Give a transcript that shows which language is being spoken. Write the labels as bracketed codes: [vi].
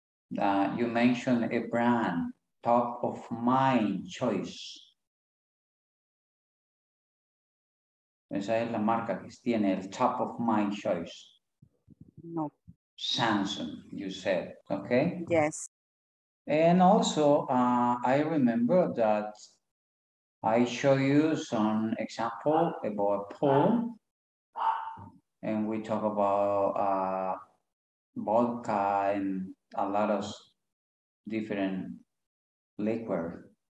[en] You mentioned a brand, top of mind choice. [es] Esa es la marca que tiene, el [en] top of mind choice. [es] No. [en] Samsung, you said, okay? Yes. And also, I remember that I show you some example about poll. And we talk about vodka and a lot of different liquor.